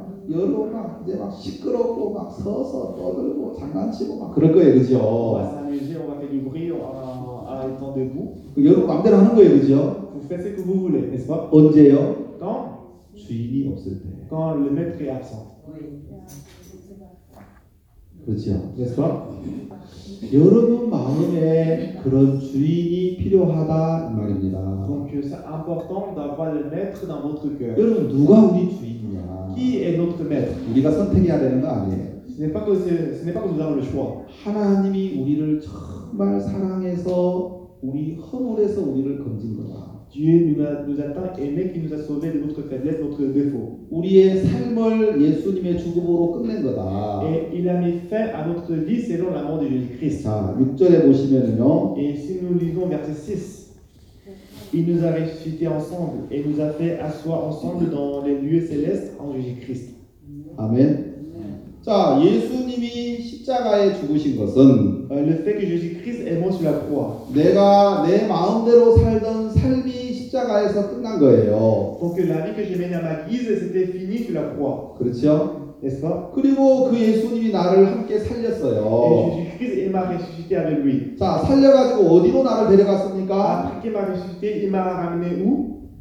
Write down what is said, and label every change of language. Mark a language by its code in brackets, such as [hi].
[ko] 여러분 막 이제 막 시끄럽고 막 서서 떠들고 장난치고 막 그럴 거예요, 그죠? [fr] On va faire du bruit, on va étendre debout. [ko] 여러분 마음대로 하는 거예요, 그죠? [fr] Vous faites ce que vous voulez, n'est-ce pas? [ko] 언제요? [fr] Quand? [ko] 주인이 없을 때. [fr] Quand le maître est absent. [ko] 그렇죠. 그래서 여러분 마음에 그런 주인이 필요하다 말입니다. [fr] Donc c'est important d'avoir le maître dans votre cœur. [ko] 여러분 누가 우리 주인이냐? [fr] Qui est notre maître? [ko] 우리가 선택해야 되는 거 아니에요? [fr] Ce n'est pas que nous avons le choix. [ko] 하나님이 우리를 정말 사랑해서 우리 허물에서 우리를 건진 거다. [fr] Dieu nous a tant aimé qu'il nous a sauvés de notre faiblesse, notre défaut. [ko] 우리의 삶을 예수님의 죽음으로 끝낸 거다. [fr] Et il a mis fin à notre vie selon la mort de Jésus-Christ. [ko] 자, 6절에 보시면은요. [fr] Et si nous lisons verset 6, il nous a ressuscité ensemble et nous a fait asseoir ensemble dans les lieux célestes en Jésus-Christ. Amen. [ko] 자, 예수님이 십자가에 죽으신 것은 [fr] le fait que Jésus-Christ est mort sur la croix. [ko] 내가 내 마음대로 살던 삶이 십자가에서 끝난 거예요. [fr] Donc la vie que je menais à ma guise c'était fini sur la croix. [ko] 그렇죠? [fr] N'est-ce pas? [ko] 그리고 그 예수님이 나를 함께 살렸어요. [fr] Et Jésus-Christ il m'a ressuscité avec lui. [ko] 자, 살려가지고 어디로 나를 데려갔습니까? [fr] Après qu'il m'a ressuscité, il m'a ramené où?